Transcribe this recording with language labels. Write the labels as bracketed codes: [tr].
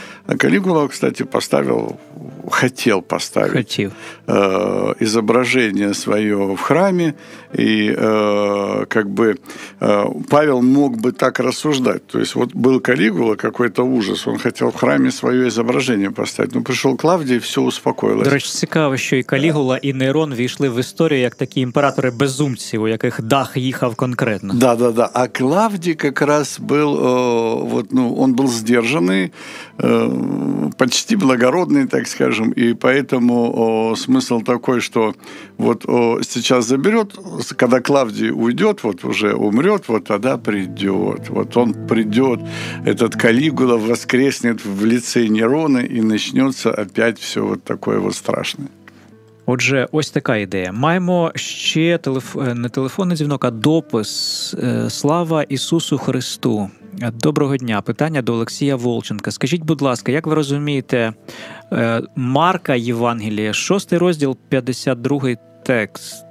[ru] А Калигула, кстати, хотел поставить изображение свое в храме. И как бы Павел мог бы так рассуждать. То есть вот был Калигула, какой-то ужас. Он хотел в храме свое изображение поставить. Но пришел Клавдий, и все успокоилось. [uk] До речі, цікаво, що і Калігула, і Нейрон війшли в історію як такі імператори-безумці, у яких дах їхав конкретно. [ru] Да-да-да. А Клавдій как раз был, он был сдержанный, почти благородный, так скажем, и поэтому смысл такой, что вот сейчас заберет, когда Клавдий уйдет, вот уже умрет, вот тогда придет. Вот он придет, этот Калигула воскреснет в лице Нерона, и начнется опять все вот такое вот страшное. [uk] Отже, ось така ідея. Маємо ще телефонний дзвінок, а допис. Слава Ісусу Христу. Доброго дня. Питання до Олексія Волченка. Скажіть, будь ласка, як ви розумієте Марка Євангелія, 6 розділ, 52 текст?